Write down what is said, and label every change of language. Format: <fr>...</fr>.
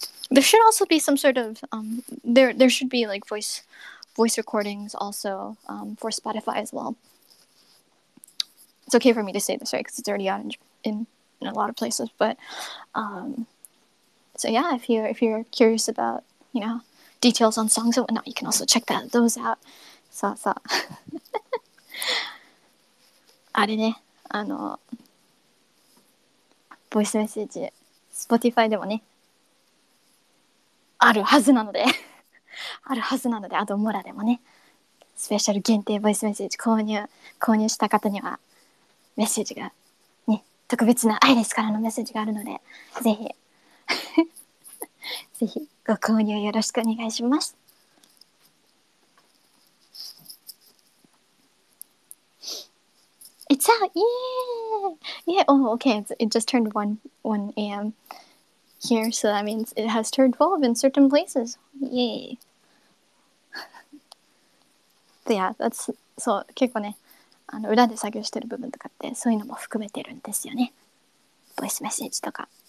<en>There should also be some sort of there should be like voice recordings also for Spotify as well. It's okay for me to say this, right? Because it's already out in a lot of places. But so yeah, if you're curious about, you know, details on songs and whatnot, you can also check those out. So.</en> <ja>あれね、あの、ボイスメッセージ、Spotify でもね、あるはずなので、あるはずなので、アドモラでもね、スペシャル限定ボイスメッセージ購入した方には、メッセージが、ね、特別なアイレスからのメッセージがあるので、ぜひ、ぜひご購入よろしくお願いします。</ja> <en>It's out! Yeah! Oh, okay. It just turned 1 a.m. here, so that means it has turned 12 in certain places. Yay! So yeah, that's...</en> <ja>So, 結構ね、あの、裏で作業してる部分とかって、そういうのも含めてるんですよね。ボイスメッセージとか。</ja>